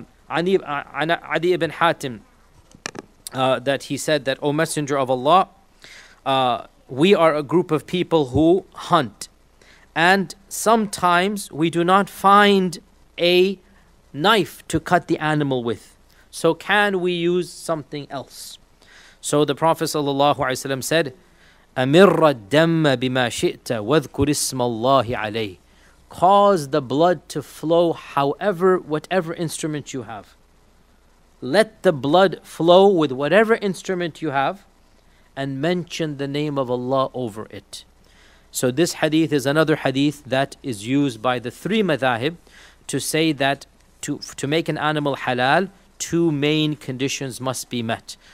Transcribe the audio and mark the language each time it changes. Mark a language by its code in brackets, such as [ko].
[en] Adi ibn Hatim, that he said that, O Messenger of Allah, we are a group of people who hunt. And sometimes we do not find a knife to cut the animal with. So can we use something else? So the Prophet ﷺ said, [ar] أَمِرَّ الدَّمَّ بِمَا شِئْتَ وَذْكُرِ اسْمَ اللَّهِ عَلَيْهِ. [en] Cause the blood to flow however, whatever instrument you have. Let the blood flow with whatever instrument you have and mention the name of Allah over it. So this hadith is another hadith that is used by the three madhahib to say that to make an animal halal, two main conditions must be met.